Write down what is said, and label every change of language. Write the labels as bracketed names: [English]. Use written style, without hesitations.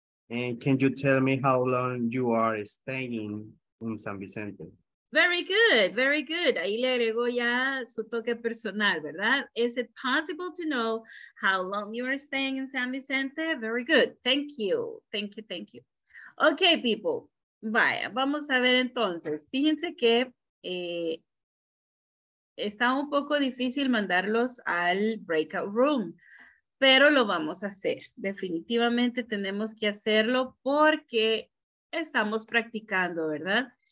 [English] And can you tell me how long you are staying in San Vicente? Very good, very good. [Spanish] Ahí le agregó ya su toque personal, ¿verdad? [English] Is it possible to know how long you are staying in San Vicente? Very good. Thank you. Okay, people. [Spanish] Vaya, vamos a ver entonces. Fíjense que está un poco difícil mandarlos al breakout room, pero lo vamos a hacer. Definitivamente tenemos que hacerlo porque estamos practicando, ¿verdad?